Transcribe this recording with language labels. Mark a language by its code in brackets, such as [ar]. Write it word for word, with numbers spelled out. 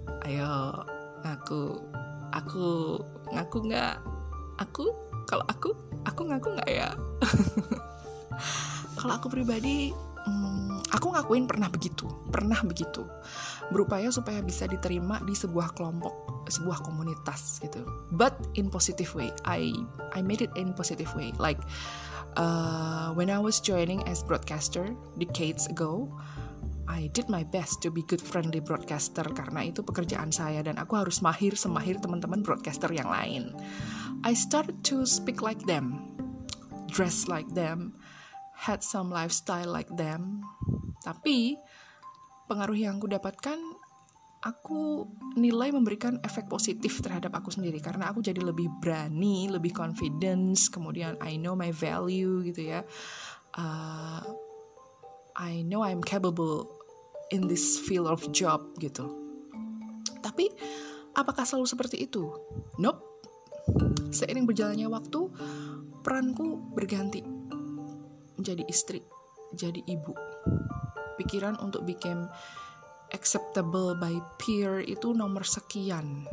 [id] Ayo, aku, aku ngaku nggak? Aku, kalau aku, aku ngaku nggak ya? Kalau aku pribadi, hmm, aku ngakuin pernah begitu, pernah begitu. Berupaya supaya bisa diterima di sebuah kelompok, sebuah komunitas gitu. [en] But in positive way, I I made it in positive way. Like uh, when I was joining as broadcaster decades ago, I did my best to be good friendly broadcaster [id] karena itu pekerjaan saya dan aku harus mahir semahir teman-teman broadcaster yang lain. [en] I started to speak like them, dress like them, had some lifestyle like them. [id] Tapi pengaruh yang aku dapatkan, aku nilai memberikan efek positif terhadap aku sendiri karena aku jadi lebih berani, lebih confidence, kemudian [en] I know my value [id] gitu ya. [en] Uh, I know I'm capable in this field of job [id] gitu. Tapi Apakah selalu seperti itu? Nope. Seiring berjalannya waktu, peranku berganti. Menjadi istri, jadi ibu. Pikiran untuk bikin [en] acceptable by peer [id] itu nomor sekian.